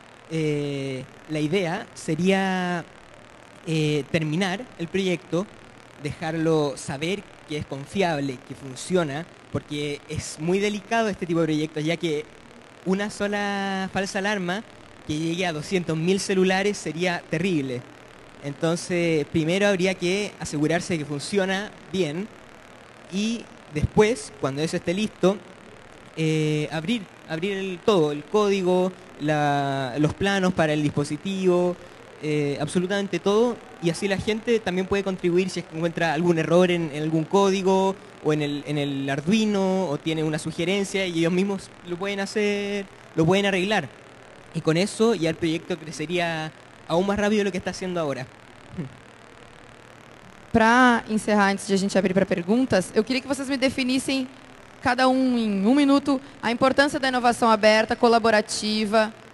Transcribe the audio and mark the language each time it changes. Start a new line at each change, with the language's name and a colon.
Portuguese: A ideia seria terminar o projeto, deixá-lo saber que é confiável, que funciona, porque é muito delicado este tipo de projeto, já que uma
Spanish: sola falsa alarma que llegue a 200.000 celulares sería terrible. Entonces, primero habría que asegurarse de que funciona bien y después, cuando eso esté listo, abrir todo, el código, los planos para el dispositivo, absolutamente todo, y así la gente también puede contribuir si encuentra algún error en algún código o en el Arduino o tiene una sugerencia y ellos mismos lo pueden hacer, lo pueden arreglar.
Portuguese: E com isso, já o projeto cresceria aún mais rápido do que está sendo agora. Para encerrar, antes de a gente abrir para perguntas, eu queria que vocês me definissem, cada um em um minuto, a importância da inovação aberta, colaborativa.